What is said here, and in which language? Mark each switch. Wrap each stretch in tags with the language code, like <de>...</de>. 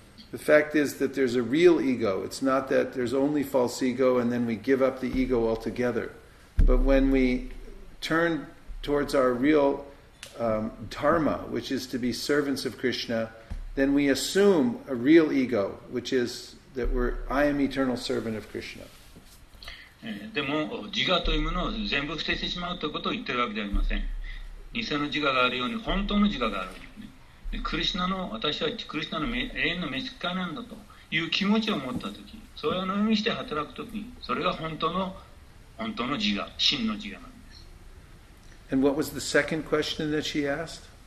<en>The fact is that there's a real ego. It's not that there's only false ego and then we give up the ego altogether. But when we turn towards our realdharma, which is to be servants of Krishna, then we assume a real ego, which is that I am eternal servant of Krishna.</en> <ja>でも自我というものを全部捨ててしまうということを言ってるわけではありません。偽の自我があるように本当の自我があるように。クリシナの、私はクリシナの永遠の召使いなんだという気持ちを持ったとき、そういうのにして働くときに、それが本当の自我、真の自我なんです。</ja> <en>And what was the second question that she asked?</en>